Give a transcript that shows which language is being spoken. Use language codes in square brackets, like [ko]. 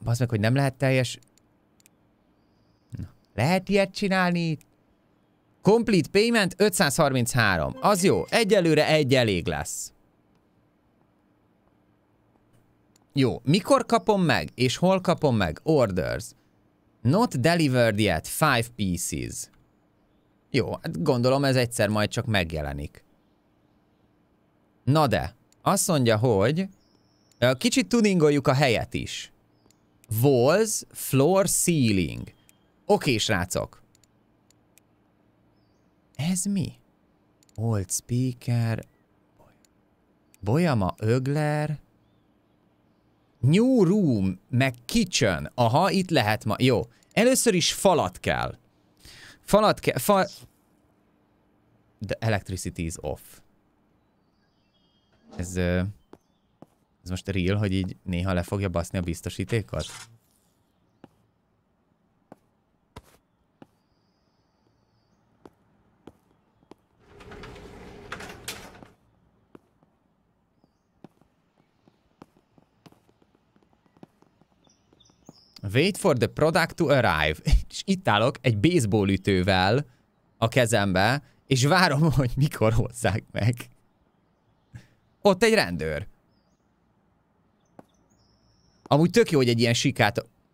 [hu] Baszd meg, hogy nem lehet teljes... Na. Lehet ilyet csinálni? [en] Complete payment [hu] 533. Az jó, egyelőre egy elég lesz. Jó, mikor kapom meg, és hol kapom meg? [en] Orders. Not delivered yet, 5 pieces. [hu] Jó, hát gondolom ez egyszer majd csak megjelenik. Na de, azt mondja, hogy kicsit tuningoljuk a helyet is. [en] Walls, floor, ceiling. [hu] Oké, srácok. Ez mi? [en] Old speaker. [hu] Bojama ögler. New room, meg kitchen. Aha, itt lehet ma. Jó. Először is falat kell. Falat kell. [en] The electricity is off. [hu] Ez most real, hogy így néha le fogja baszni a biztosítékot? [en] Wait for the product to arrive. [hu] És itt állok egy baseball ütővel a kezembe, és várom, hogy mikor hozzák meg. Ott egy rendőr. Amúgy tök jó, hogy egy ilyen sikát...